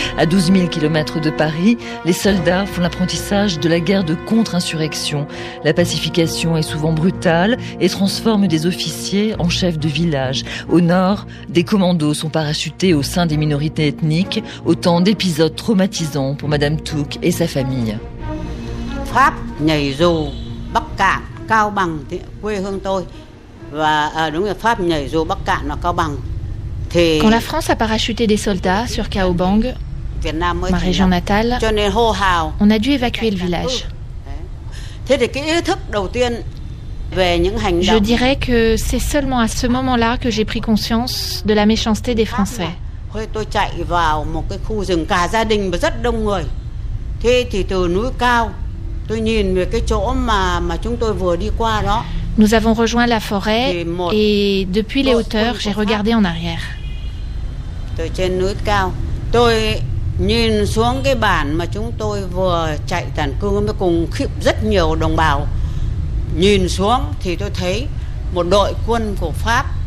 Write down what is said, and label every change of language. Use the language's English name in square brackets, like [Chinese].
[French] À 12 000 km de Paris, les soldats font l'apprentissage de la guerre de contre-insurrection. La pacification est souvent brutale et transforme des officiers en chefs de village. Au nord, des commandos sont parachutés au sein des minorités ethniques, autant d'épisodes traumatisants pour Madame Touc et sa famille. [Vietnamese] Pháp nhảy dù Bắc Cạn, Cao Bằng, quê hương tôi. Và đúng là Pháp nhảy dù Bắc Cạn và Cao Bằng. [French] Quand la France a parachuté des soldats sur Cao Bằng, ma région natale, on a dû évacuer le village. [Vietnamese] Thế thì cái ý thức đầu tiên về những hành động. [French] Je dirais que c'est seulement à ce moment-là que j'ai pris conscience de la méchanceté des Français. [Vietnamese] Tôi chạy vào một cái khu rừng cả gia đình và rất đông người. Thế thì từ núi cao tôi nhìn về cái chỗ mà chúng tôi vừa đi qua đó. [French] Nous avons rejoint la forêt et depuis les hauteurs, j'ai regardé en arrière. [Vietnamese] Từ trên núi cao, tôi nhìn xuống cái bản mà chúng tôi vừa chạy tản cư với cùng khiếp rất nhiều đồng bào. Nhìn xuống thì tôi thấy một đội quân của Pháp.